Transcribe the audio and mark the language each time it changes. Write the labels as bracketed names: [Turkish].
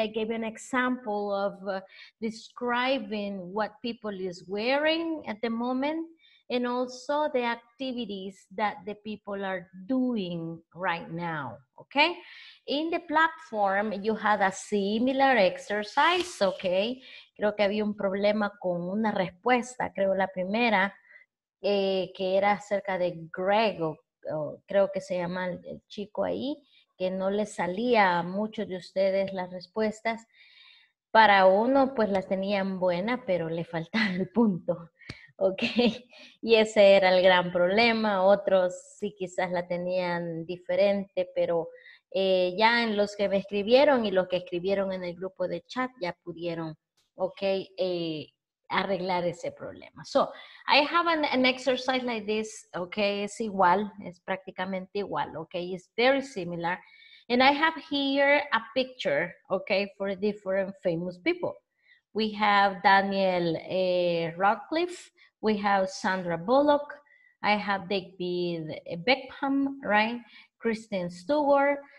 [English] I gave an example of describing what people is wearing at the moment and also the activities that the people are doing right now, okay? In the platform, you had a similar exercise, okay? [Spanish] Creo que había un problema con una respuesta, creo la primera, que era acerca de Greg, o creo que se llama el chico ahí, que no le salía a muchos de ustedes las respuestas. Para uno, pues las tenían buenas, pero le faltaba el punto, ¿ok? Y ese era el gran problema. Otros sí quizás la tenían diferente, pero ya en los que me escribieron y los que escribieron en el grupo de chat ya pudieron, okay, arreglar ese problema. [English] So, I have an exercise like this, okay, [Spanish] es igual, es prácticamente igual, [English] okay, it's very similar. And I have here a picture, okay, for different famous people. We have Daniel Radcliffe, we have Sandra Bullock, I have David Beckham, right, Kristen Stewart,